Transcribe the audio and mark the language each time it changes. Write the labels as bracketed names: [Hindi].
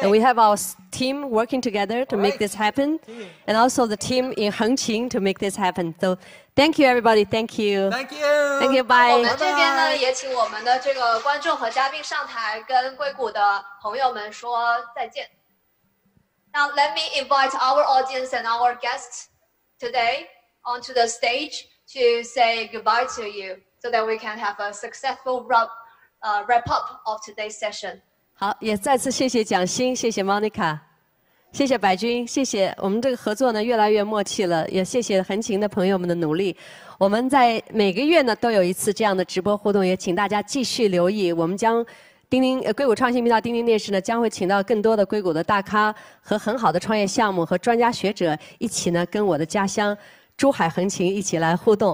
[English] And we have our team working together to、 All、 make、 this happen, and also the team in 横琴 to make this happen. So thank you everybody. Thank you. Thank you. Thank you. Bye. [Chinese] 我们这边呢也请我们的这个观众和嘉宾上台，跟硅谷的朋友们说再见。 [English] Now let me invite our audience and our guests today onto the stage to say goodbye to you so that we can have a successful wrap up of today's session. [Chinese] 好，也再次谢谢蒋欣，谢谢 Monica， 谢谢白君，谢谢我们这个合作呢越来越默契了，也谢谢横琴的朋友们的努力。我们在每个月呢都有一次这样的直播互动，也请大家继续留意，我们将硅谷创新频道丁丁电视呢将会请到更多的硅谷的大咖和很好的创业项目和专家学者一起呢跟我的家乡珠海横琴一起来互动。